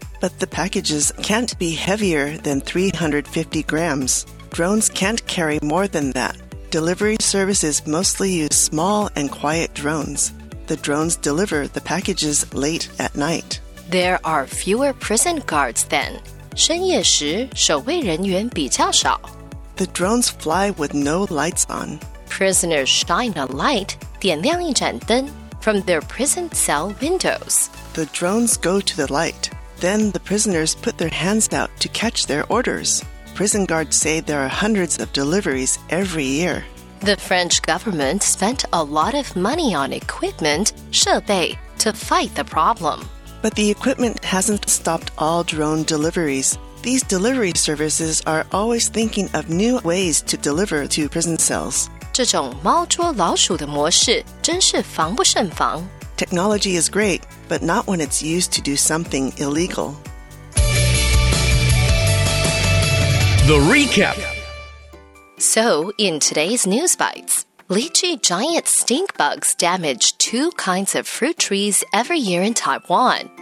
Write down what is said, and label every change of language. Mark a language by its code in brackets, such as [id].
[en] But the packages can't be heavier than 350 grams. Drones can't carry more than that. Delivery services mostly use small and quiet drones. The drones deliver the packages late at night. There are fewer prison guards then. [zh] 深夜时守卫人员比较少。 [en] The drones fly with no lights on. Prisoners shine a light, [zh] 点亮一盏灯, [en] from their prison cell windows. The drones go to the light. Then the prisoners put their hands out to catch their orders. Prison guards say there are hundreds of deliveries every year. The French government spent a lot of money on equipment, 设备, to fight the problem. But the equipment hasn't stopped all drone deliveries. These delivery services are always thinking of new ways to deliver to prison cells. [zh] 这种猫捉老鼠的模式真是防不胜防。 [en] Technology is great, but not when it's used to do something illegal. The Recap. So, in today's News Bites, lychee giant stink bugs damage two kinds of fruit trees every year in Taiwan.